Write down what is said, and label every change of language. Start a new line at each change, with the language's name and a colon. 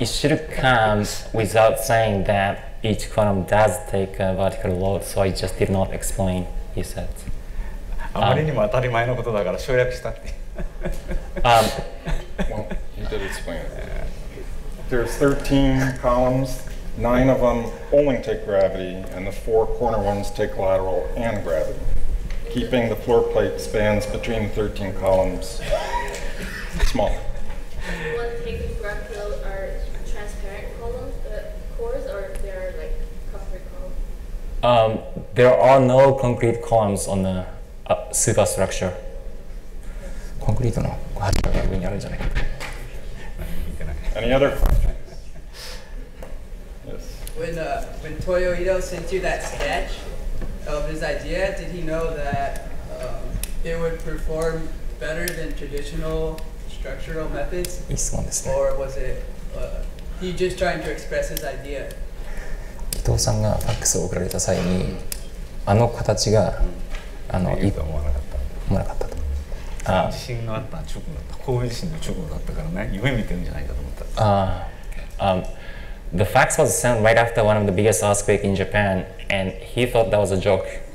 English: It should come without saying that each column does take a vertical load, so I just did not explain. He said.
Japanese: あまりにも当たり前のことだから省略したって。
English: He did explain. There's 13 columns. Nine of them only take gravity, and the four corner ones take lateral and gravity, keeping the floor plate spans between the 13 columns small. The ones taking gravity are transparent columns, the cores, or they are like concrete columns? There are no concrete columns on the superstructure.
Japanese: Concrete の柱が上にあるじゃない。
English: Any other questions? When Toyo Ito sent you that sketch of his idea, did he know that it would perform better than traditional structural methods?
Japanese: いい質問ですね。
English: Or was it he just trying to express his idea?
Japanese: 伊藤さんがファックスを送られた際に、あの形が、いいと思わなかった。思わなかったと。地震があった直後だった。神戸地震の直後だったからね、夢見てるんじゃないかと思った。
English: The fax was sent right after one of the biggest earthquakes in Japan, and he thought that was a joke.